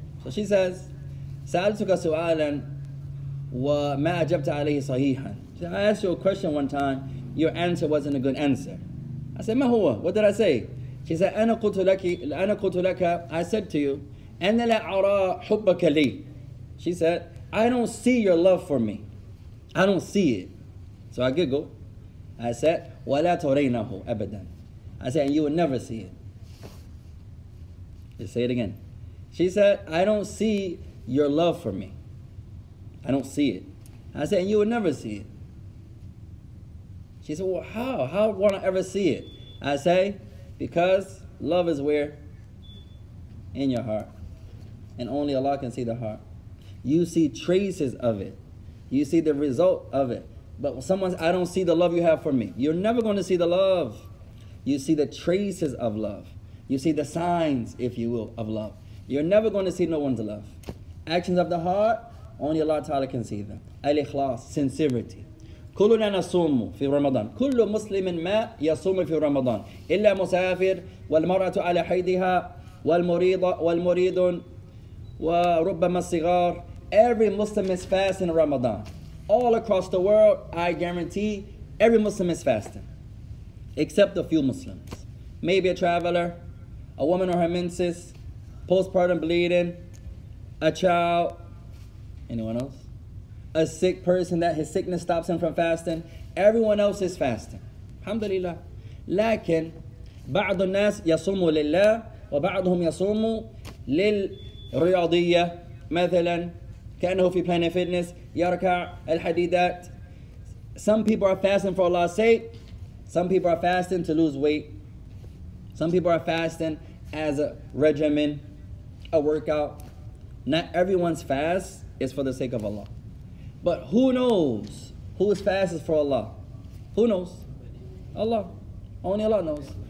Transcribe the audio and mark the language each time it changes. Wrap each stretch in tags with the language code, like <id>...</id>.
<en>So she says,</en> <ar>سألتك سؤالاً وما أجبت عليه صحيحاً.</ar> <en>I asked you a question one time. Your answer wasn't a good answer. I said,</en> <ar>ما هو?</ar> <en>What did I say? She said,</en> <ar>أنا قلت لك,</ar> <en>I said to you,</en> <ar>أنا لا أرى حبك لي.</ar> <en>She said, I don't see your love for me. I don't see it. So I giggled. I said,</en> <ar>وَلَا تَرَيْنَهُ أَبَدًا.</ar> <en>I said, and you will never see it. Just say it again. She said, I don't see your love for me. I don't see it. I said, and you will never see it. She said, well, how? How won't I ever see it? I say, because love is where? In your heart. And only Allah can see the heart. You see traces of it. You see the result of it. But when someone says, I don't see the love you have for me. You're never going to see the love. You see the traces of love. You see the signs, if you will, of love. You're never going to see no one's love. Actions of the heart, only Allah Ta'ala can see them. Al-Ikhlas, sincerity.</en> <ar>كلنا نصوم في رمضان كل مسلم ما يصوم في رمضان إلا مسافر والمرأة على حيضها والمريض والمريض وربما الصغار.</ar> <en>Every Muslim is fasting Ramadan. All across the world, I guarantee every Muslim is fasting, except a few Muslims. Maybe a traveler, a woman or her menses, postpartum bleeding, a child. Anyone else? A sick person that his sickness stops him from fasting. Everyone else is fasting. Alhamdulillah.</en> <ar>لكن بعض الناس يصوموا لله وبعضهم يصوموا للرياضية مثلا كأنه في Planet Fitness يركع الحديدات.</ar> <en>Some people are fasting for Allah's sake. Some people are fasting to lose weight. Some people are fasting as a regimen, a workout. Not everyone's fast is for the sake of Allah. But who knows who is fasting for Allah? Who knows? Allah. Only Allah knows.</en>